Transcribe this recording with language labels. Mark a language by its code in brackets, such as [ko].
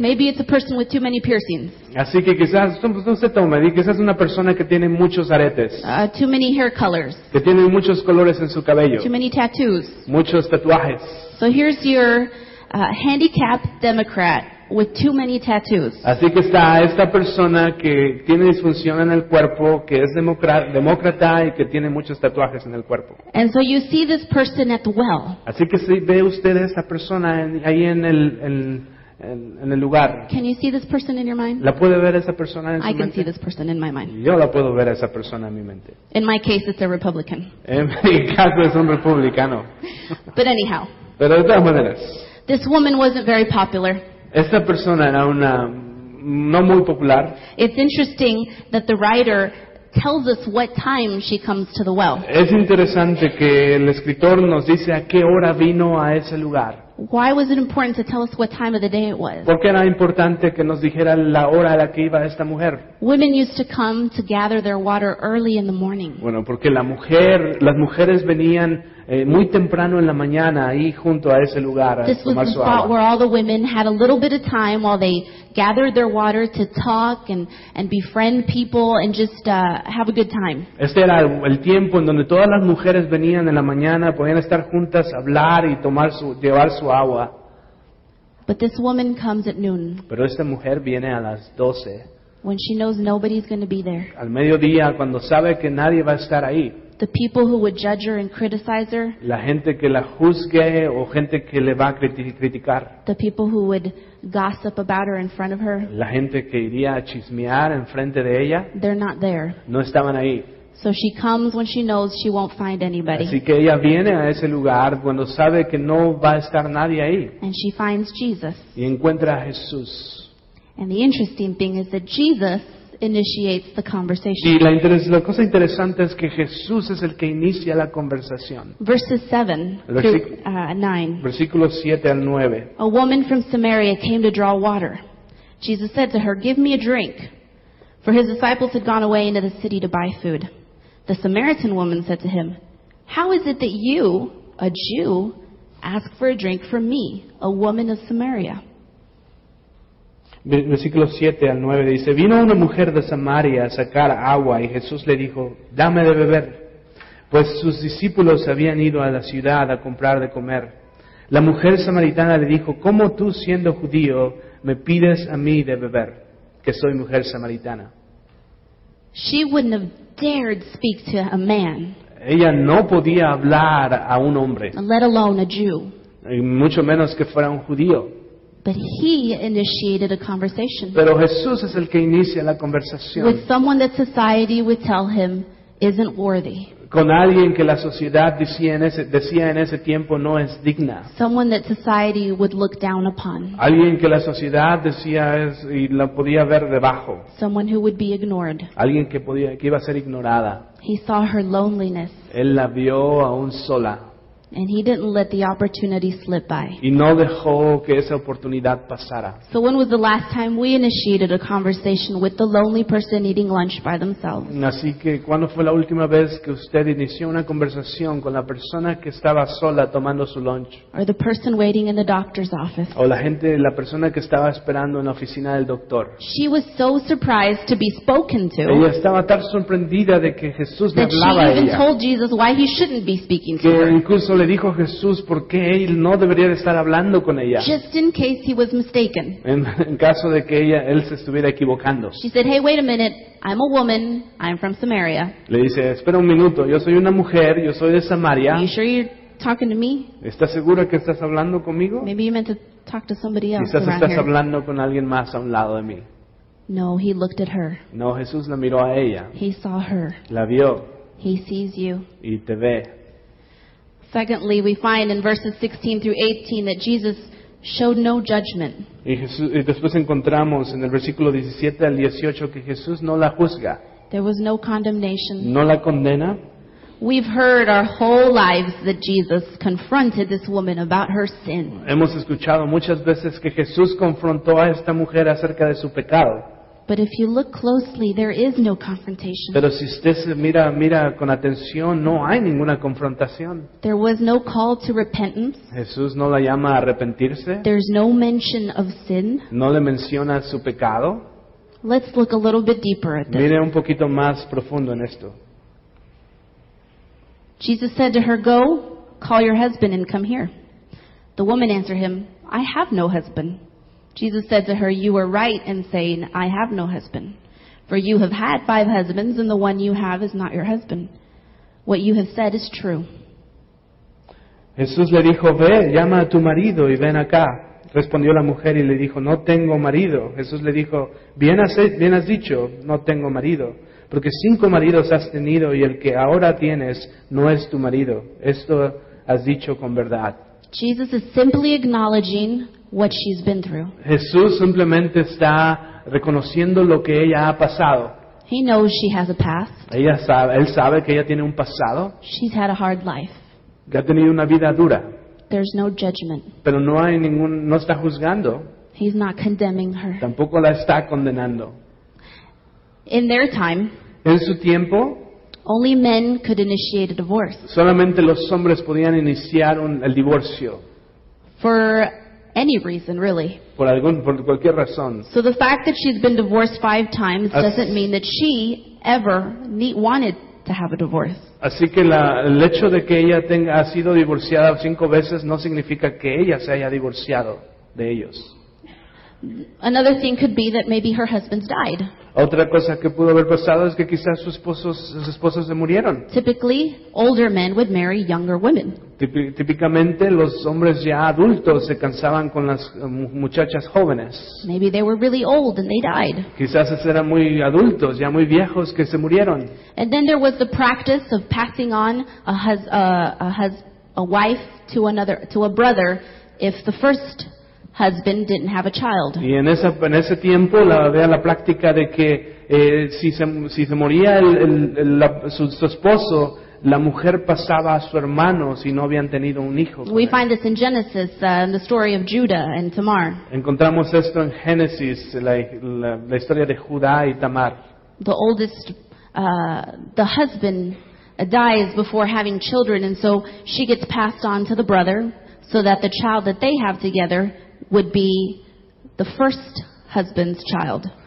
[en] Maybe it's a person with too many piercings. [es] Así que quizás no se tome. Quizás una persona que tiene muchos aretes. [en] Too many hair colors. [es] Que tiene muchos colores en su cabello. [en] Too many tattoos. [es] Muchos tatuajes. [en] So here's your handicapped Democrat with too many tattoos. [es] Así que está esta persona que tiene disfunción en el cuerpo, que es demócrata y que tiene muchos tatuajes en el cuerpo. [en] And so you see this person at the well. [es] Así que si ve usted a esta persona ahí en el en el lugar. [en] Can you see this person in your mind? [es] ¿La puede ver esa persona en su mente? [en] I can [es] mente? [en] See this person in my mind. [es] Yo la puedo ver a esa persona en mi mente. [en] In my case, it's a Republican. [es] En mi caso es un republicano. [en] But anyhow. [es] Pero de todas maneras. [en] This woman wasn't very popular. [es] Esta persona era una no muy popular. [en] It's interesting that the writer tells us what time she comes to the well. [es] Es interesante que el escritor nos dice a qué hora vino a ese lugar. [en] Why was it important to tell us what time of the day it was? [es] ¿Por qué era importante que nos dijera la hora a la que iba esta mujer? [en] Women used to come to gather their water early in the morning. [es] Bueno, porque las mujeres venían muy temprano en la mañana ahí junto a ese lugar a tomar su agua. [en] This was the spot where all the women had a little bit of time while they gathered their water to talk and befriend people and just have a good time. [es] Este era el tiempo en donde todas las mujeres venían en la mañana, podían estar juntas, hablar y tomar su llevar su agua. [en] But this woman comes at noon. [es] Pero esta mujer viene a las 12. [en] When she knows nobody's going to be there. [es] Al mediodía, cuando sabe que nadie va a estar ahí. [en] The people who would judge her and criticize her. [es] La gente que la juzgue o gente que le va a criticar. [en] The people who would gossip about her in front of her. [es] La gente que iría a chismear en frente de ella. [en] They're not there. [es] No estaban ahí. [en] So she comes when she knows she won't find anybody. [es] Así que ella viene a ese lugar cuando sabe que no va a estar nadie ahí. [en] And she finds Jesus. [es] Y encuentra a Jesús. [en] And the interesting thing is that Jesus initiates the conversation. [es] Y la cosa interesante es que Jesús es el que inicia la conversación. Versículos 7 al 9. [en] A woman from Samaria came to draw water. Jesus said to her, "Give me a drink." For his disciples had gone away into the city to buy food. The Samaritan woman said to him, "How is it that you, a Jew, ask for a drink from me, a woman of Samaria?" [es] Versículo 7 al 9 dice, vino una mujer de Samaria a sacar agua y Jesús le dijo, dame de beber, pues sus discípulos habían ido a la ciudad a comprar de comer. La mujer samaritana le dijo, ¿cómo tú siendo judío me pides a mí de beber, que soy mujer samaritana? [en] She wouldn't have dared speak to a man. [es] Ella no podía hablar a un hombre, [en] let alone a Jew. [es] Y mucho menos que fuera un judío. [en] But he initiated a conversation. [es] Pero Jesús es el que inicia la conversación. [en] With someone that society would tell him isn't worthy. [es] Con alguien que la sociedad decía en ese tiempo no es digna. [en] Someone that society would look down upon. [es] Alguien que la sociedad decía es y la podía ver debajo. [en] Someone who would be ignored. [es] Alguien que iba a ser ignorada. [en] He saw her loneliness. [es] Él la vio aún sola. [en] And he didn't let the opportunity slip by. [es] Y no dejó que esa oportunidad pasara. [en] So when was the last time we initiated a conversation with the lonely person eating lunch by themselves? [es] Así que, ¿cuándo fue la última vez que usted inició una conversación con la persona que estaba sola tomando su lunch? [en] Or the person waiting in the doctor's office? [es] O la persona que estaba esperando en la oficina del doctor. [en] She was so surprised to be spoken to. [es] Ella estaba tan sorprendida de que Jesús le hablaba a ella. [en] She even told Jesus why he shouldn't be speaking to her. [es] Le dijo Jesús por qué él no debería de estar hablando con ella. [en] Just in case he was mistaken. [es] En caso de que él se estuviera equivocando. [en] She said, "Hey, wait a minute. I'm a woman. I'm from Samaria." [es] Le dice, "Espera un minuto. Yo soy una mujer. Yo soy de Samaria." [en] Are you sure you're talking to me? [es] ¿Estás segura que estás hablando conmigo? [en] Maybe you meant to talk to somebody else. [es] Quizás estás [en] here. [es] Hablando con alguien más a un lado de mí. [en] No, he looked at her. [es] No, Jesús la miró a ella. [en] He saw her. [es] La vio. [en] He sees you. [es] Y te ve. [en] Secondly, we find in verses 16 through 18 that Jesus showed no judgment. [es] Y después encontramos en el versículo 17 al 18 que Jesús no la juzga. [en] There was no condemnation. [es] No la condena. [en] We've heard our whole lives that Jesus confronted this woman about her sin. [es] Hemos escuchado muchas veces que Jesús confrontó a esta mujer acerca de su pecado. [en] But if you look closely, there is no confrontation. [es] Pero si usted se mira con atención, no hay ninguna confrontación. [en] There was no call to repentance. [es] Jesús no la llama a arrepentirse. [en] There's no mention of sin. [es] No le menciona su pecado. [en] Let's look a little bit deeper at this. [es] Mire un poquito más profundo en esto. [en] Jesus said to her, "Go, call your husband and come here." The woman answered him, "I have no husband." Jesus said to her, "You are right in saying, 'I have no husband.' For you have had five husbands, and the one you have is not your husband. What you have said is true." [es] Jesús le dijo, "Ve, llama a tu marido y ven acá." Respondió la mujer y le dijo, "No tengo marido." Jesús le dijo, bien has dicho, no tengo marido. Porque cinco maridos has tenido, y el que ahora tienes no es tu marido. Esto has dicho con verdad. [en] Jesus is simply acknowledging what she's been through. [es] Jesús simplemente está reconociendo lo que ella ha pasado. [en] He knows she has a past. [es] Él sabe que ella tiene un pasado. [en] She's had a hard life. [es] Ha tenido una vida dura. [en] There's no judgment. [es] Pero no hay ningún, no está juzgando. [en] He's not condemning her. [es] Tampoco la está condenando. [en] In their time, [es] en su tiempo, [en] only men could initiate a divorce. [es] Solamente los hombres podían iniciar el divorcio. [en] For any reason, really. [es] Por cualquier razón. [en] So the fact that she's been divorced 5 times doesn't mean that she ever wanted to have a divorce. [es] Así que el hecho de que ella ha sido divorciada 5 veces no significa que ella se haya divorciado de ellos. [en] Another thing could be that maybe her husband's died. [es] Otra cosa que pudo haber pasado es que quizás sus esposos se murieron. [en] Typically, older men would marry younger women. [es] Típicamente, los hombres ya adultos se casaban con las muchachas jóvenes. [en] Maybe they were really old and they died. [es] Quizás eran muy adultos, ya muy viejos, que se murieron. [en] And then there was the practice of passing on a wife to another, to a brother, if the first husband didn't have a child. [es] Y en ese tiempo la práctica de que si se moría su esposo, la mujer pasaba a su hermano si no habían tenido un hijo. [en] We find this in Genesis, in the story of Judah and Tamar. [es] Encontramos esto en Génesis, la historia de Judá y Tamar. [en] The oldest the husband dies before having children, and so she gets passed on to the brother so that the child that they have together would be the first husband's child.